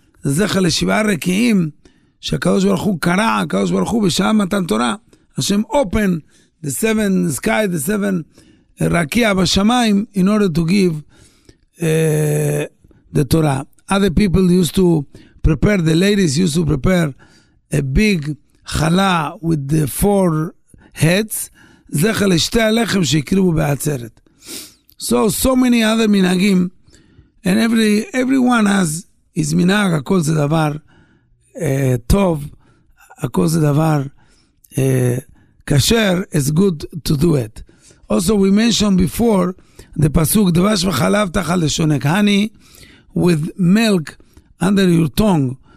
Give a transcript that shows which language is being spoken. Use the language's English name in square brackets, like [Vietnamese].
[Hebrew] זכר לשבעה רקיעים, שהקדוש ברוך הוא קרא, הקדוש ברוך הוא בשעה מתן תורה, השם [English] open the 7 sky, the 7 [Hebrew] רקיע בשמיים, [English] in order to give the Torah. Other people used to prepare, the ladies used to prepare a big chala with the 4 heads. [Hebrew] זכר לשתי הלחם שהקריבו בעצרת. [English] So many other minhagim, and everyone has his minhag. Hakol ze davar tov, hakol ze davar kasher, is good to do it. Also, we mentioned before the pasuk dvash v'chalav tachal leshonek, honey with milk under your tongue.